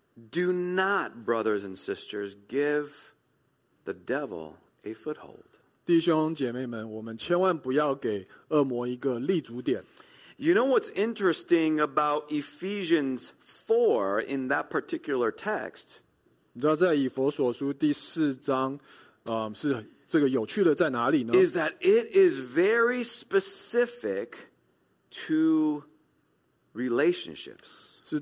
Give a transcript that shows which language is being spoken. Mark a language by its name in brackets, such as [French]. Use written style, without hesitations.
[English] Do not, brothers and sisters, give the devil a foothold. [Chinese] 弟兄姐妹们, 我们千万不要给恶魔一个立足点。 [English] You know what's interesting about Ephesians 4 in that particular text? [Chinese] 你知道在以弗所书第四章, 是这个有趣的在哪里呢? [English] Is that it is very specific to relationships.